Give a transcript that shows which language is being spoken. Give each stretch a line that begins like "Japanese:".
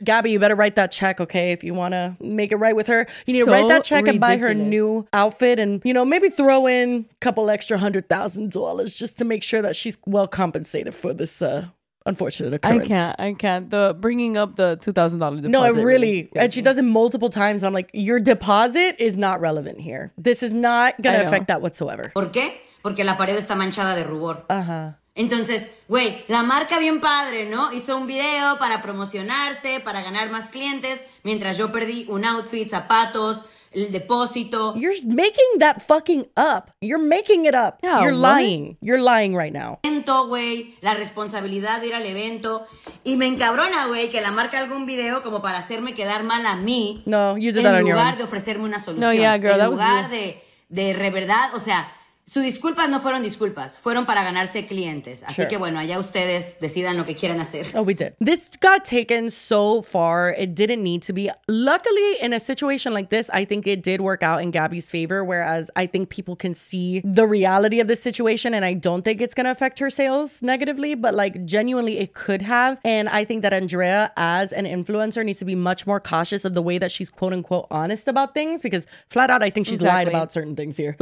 English: Gabby, you better write that check, okay? If you want to make it right with her, you need to write that check ridiculous. And buy her new outfit, and you know, maybe throw in a couple extra $100,000 just to make sure that she's well compensated for this unfortunate occurrence. I can't. The bringing up the $2,000 deposit. No, I really. And she does it multiple times. And I'm like, your deposit is not relevant here. This is not going to affect that whatsoever.
Spanish: ¿Por qué? Porque la pared está manchada de rubor. Ajá. Entonces, güey, la marca bien padre, ¿no? Hizo un video para promocionarse, para ganar más clientes, mientras yo perdí un outfit, zapatos, el depósito.
English: You're making that fucking up. You're making it up. Yeah, you're lying. Right? You're lying right now.
Spanish: Siento, güey, la responsabilidad de ir al evento. Y me encabrona, güey, que la marca algún video como para hacerme quedar mal a mí.
English: No, you did that on your
Spanish: own. En lugar de ofrecerme una solución.
English: No, yeah, girl, that was you.
Spanish: En lugar de reverdad, o sea, sus disculpas no fueron disculpas. Fueron para ganarse clientes. Así que, bueno, allá ustedes decidan lo que quieran hacer.
English: Oh, we did. This got taken so far. It didn't need to be. Luckily, in a situation like this, I think it did work out in Gabby's favor, whereas I think people can see the reality of the situation, and I don't think it's going to affect her sales negatively, but, like, genuinely, it could have. And I think that Andrea, as an influencer, needs to be much more cautious of the way that she's quote-unquote honest about things, because flat out, I think she's lied about certain things here.